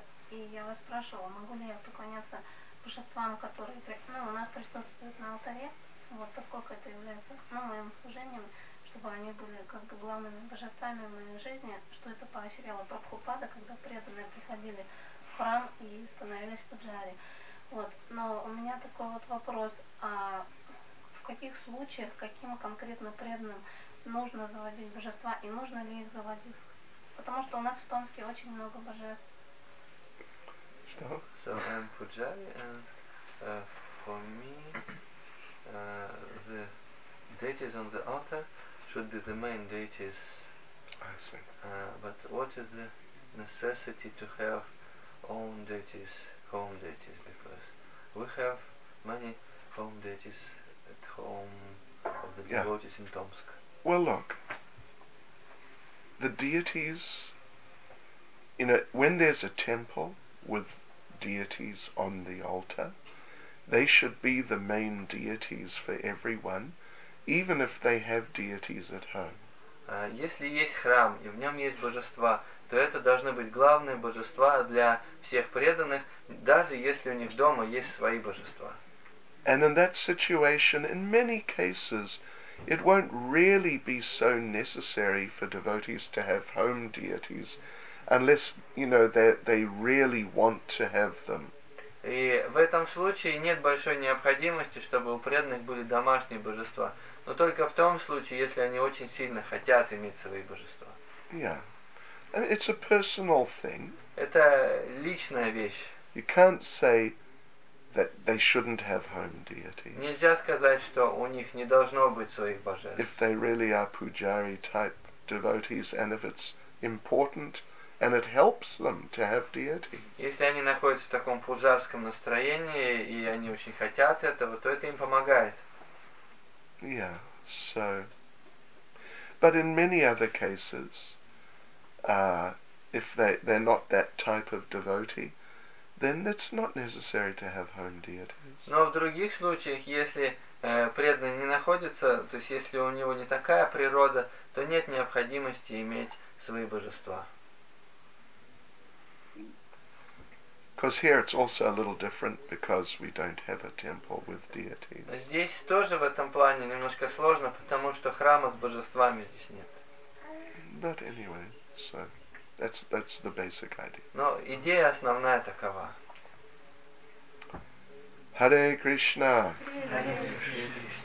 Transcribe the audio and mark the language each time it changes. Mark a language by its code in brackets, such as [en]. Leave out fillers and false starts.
[ru] И я вас спрашивала, могу ли я поклоняться божествам, которые у нас присутствуют на алтаре, вот поскольку это является моим служением, чтобы они были как бы главными божествами в моей жизни, что это поощряло Прабхупада, когда преданные приходили в храм и становились пуджари. Вот. Но у меня такой вот вопрос, а в каких случаях, каким конкретно преданным нужно заводить божества и нужно ли их заводить? Потому что у нас в Томске очень много божеств. [en] So I'm Pujari, and for me, the deities on the altar should be the main deities. I see. But what is the necessity to have own deities, home deities? Because we have many home deities at home of the devotees in Tomsk. Well, look, the deities, you know, when there's a temple with deities on the altar, they should be the main deities for everyone, even if they have deities at home. [ru] Если есть храм, и в нем есть божества, то это должны быть главные божества для всех преданных, даже если у них дома есть свои божества. [en] And in that situation, in many cases, it won't really be so necessary for devotees to have home deities, unless, you know, they really want to have them. [ru] И в этом случае нет большой необходимости, чтобы у преданных были домашние божества. Но только в том случае, если они очень сильно хотят иметь свои божества. [en] Yeah. It's a personal thing. [ru] Это личная вещь. [en] You can't say that they shouldn't have home deities. [ru] Нельзя сказать, что у них не должно быть своих божеств. [en] If they really are pujari type devotees, and if it's important, and it helps them to have deity. [ru] Если они находятся в таком пуджарском настроении и они очень хотят этого, то это им помогает. [en] Yeah. So, but in many other cases, if they're not that type of devotee, then it's not necessary to have home deities. [ru] Но в других случаях, если преданный не находится, то есть если у него не такая природа, то нет необходимости иметь свои божества. [en] Because here it's also a little different because we don't have a temple with deities. [ru] Здесь тоже в этом плане немножко сложно, потому что храма с божествами здесь нет. [en] But anyway, so that's the basic idea. [ru] Но идея основная такова. [sa] Hare Krishna. Hare Krishna.